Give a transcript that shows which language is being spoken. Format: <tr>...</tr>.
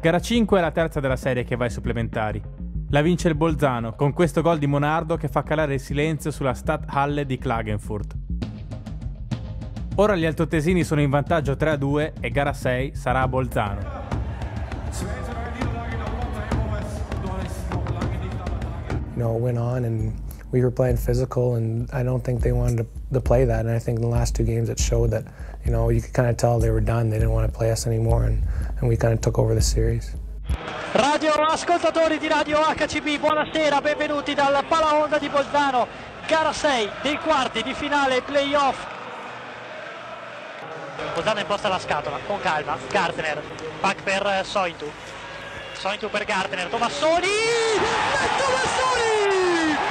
<it>Gara 5 è la terza della serie che va ai supplementari. La vince il Bolzano con questo gol di Monardo che fa calare il silenzio sulla Stadthalle di Klagenfurt. Ora gli altoatesini sono in vantaggio 3-2 e gara 6 sarà a Bolzano.</it> <en>No, went on and we were playing physical, and I don't think they wanted to play that. And I think in the last two games it showed that, you know, you could kind of tell they were done. They didn't want to play us anymore, and we kind of took over the series.</en> <it>Radio ascoltatori di Radio HCB, buonasera, benvenuti dal Palaonda di Bolzano. Gara 6 dei quarti di finale playoff. Bolzano imposta la scatola, con calma. Gardner, back per Sointu. Sointu per Gardner, Tomassoni! Tomassoni!</it>